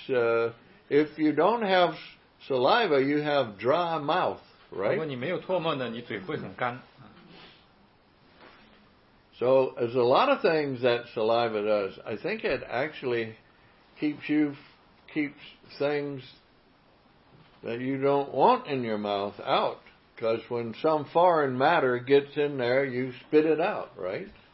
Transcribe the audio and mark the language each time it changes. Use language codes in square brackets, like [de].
[en] If you don't have saliva, you have dry mouth, right? [zh] 如果你没有唾沫呢，你嘴会很干。 [en] So there's a lot of things that saliva does. I think it actually keeps things that you don't want in your mouth out. Because when some foreign matter gets in there, you spit it out, right?